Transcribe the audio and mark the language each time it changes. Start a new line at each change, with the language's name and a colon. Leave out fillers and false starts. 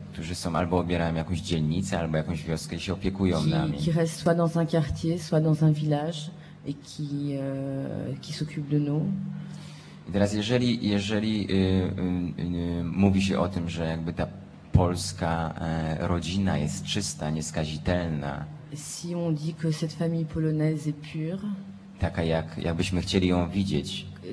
Polish: którzy są albo obierają jakąś dzielnicę, albo jakąś wioskę i się opiekują nami.
French: Qui restent soit dans un quartier, soit dans un village et qui s'occupent de nous.
Polish: I teraz jeżeli mówi się o tym, że jakby ta polska rodzina jest czysta, nieskazitelna,
French: si on dit que cette famille polonaise est pure,
Polish: taka jakbyśmy chcieli ją widzieć,